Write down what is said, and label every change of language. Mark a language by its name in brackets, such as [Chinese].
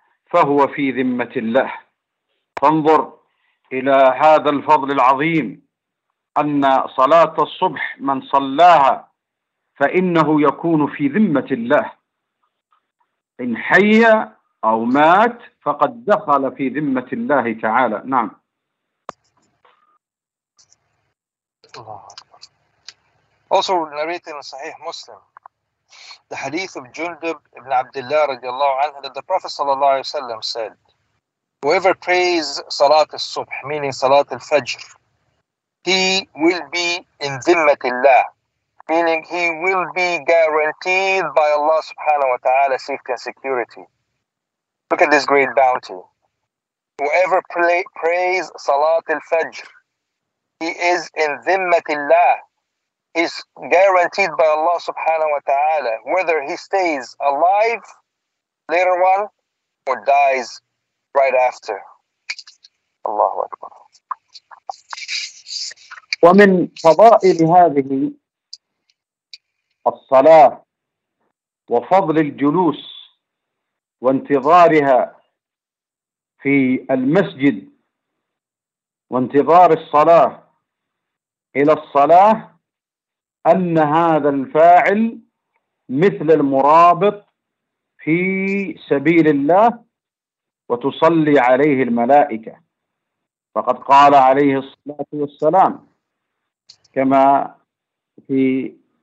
[Arabic] فهو في ذمة الله فانظر إلى هذا الفضل العظيم أن صلاة الصبح من صلاها فإنه يكون في ذمة الله إن حي أو مات فقد دخل في ذمة الله تعالى نعم الله أكبر. [English] Also narrated in Sahih Muslim, the hadith of Jundub ibn Abdullah [Arabic] radiallahu anhu, [English] that the Prophet [Arabic] sallallahu alayhi wa sallam [English] said, whoever prays Salat al-Subh, meaning Salat al-Fajr, he will be in Zimmatillah, meaning he will be guaranteed by Allah [Arabic] subhanahu wa ta'ala [English] safety and security. Look at this great bounty. Whoever prays Salat al-Fajr, he is in Zimmatillah. Is guaranteed by Allah [Arabic] subhanahu wa ta'ala, [English] whether he stays alive later on or dies right after. [Arabic] Allahu Akbar. ومن فضائل هذه الصلاة وفضل الجلوس وانتظارها في المسجد وانتظار الصلاة إلى الصلاة أن هذا الفاعل مثل المرابط في سبيل الله وتصلي عليه الملائكة، فقد قال عليه الصلاة والسلام كما في